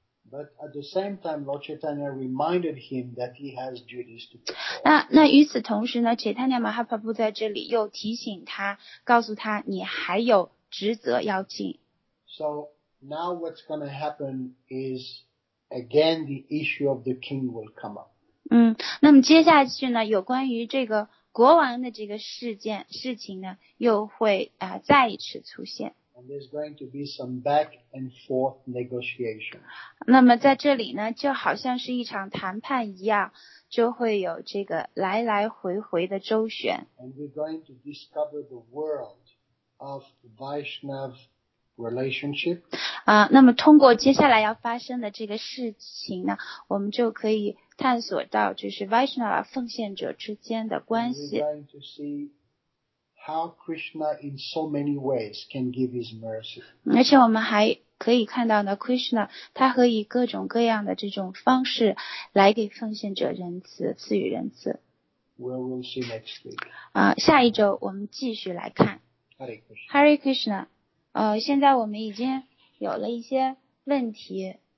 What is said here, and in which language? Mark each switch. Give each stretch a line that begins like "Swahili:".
English: But at the same time, Lord Chaitanya reminded him that he has duties to perform.
Chinese: 那与此同时呢 ，Chaitanya Mahaprabhu 在这里又提醒他，告诉他你还有职责要尽。
English: So now what's going to happen is again the issue of the king will come up.
Chinese: 那么接下去呢，有关于这个国王的这个事情呢，又会再一次出现。
English: And there's going to be some back and forth negotiation.
Chinese: 那么在这里呢，就好像是一场谈判一样，就会有这个来来回回的周旋。
English: And we're going to discover the world of Vaishnav relationship.
Chinese: 那么通过接下来要发生的这个事情呢，我们就可以探索到就是 Vaishnav 奉献者之间的关系。
English: And we're going to see. How Krishna in so many ways can give his mercy.
Chinese: 而且我们还可以看到呢 ，Krishna 他可以各种各样的这种方式来给奉献者仁慈，赐予仁慈。
English: Where we'll see next week.
Chinese: 下一周我们继续来看。
Sanskrit: Hare Krishna. Hare Krishna.
Chinese: 现在我们已经有了一些问题。